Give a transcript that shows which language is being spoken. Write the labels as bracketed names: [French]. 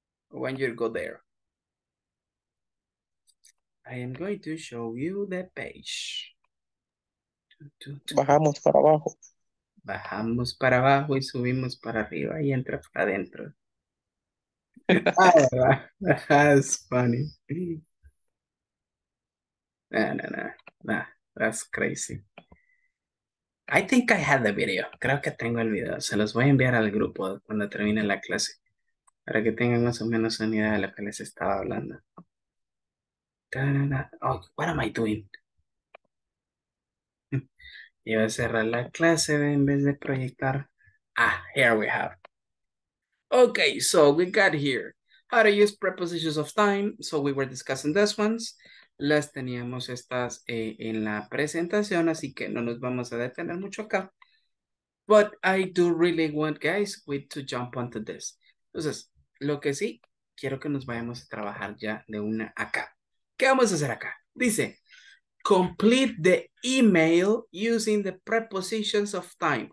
[English] When you go there, I am going to show you the page. [Spanish] Bajamos para abajo. Bajamos para abajo y subimos para arriba y entra para adentro. [English] That's funny. Nah, that's crazy. I think I have the video. [Spanish] Creo que tengo el video. Se los voy a enviar al grupo cuando termine la clase. Para que tengan más o menos una idea de lo que les estaba hablando. [English] Oh, what am I doing? [Spanish] Iba a cerrar la clase en vez de proyectar. [English] Ah, here we have. Okay, so we got here. How to use prepositions of time. So we were discussing these ones. [Spanish] Las teníamos estas en la presentación, así que no nos vamos a detener mucho acá. [English] But I do really want, guys, we to jump onto this. [Spanish] Entonces, lo que sí, quiero que nos vayamos a trabajar ya de una acá. ¿Qué vamos a hacer acá? [English] Dice, complete the email using the prepositions of time.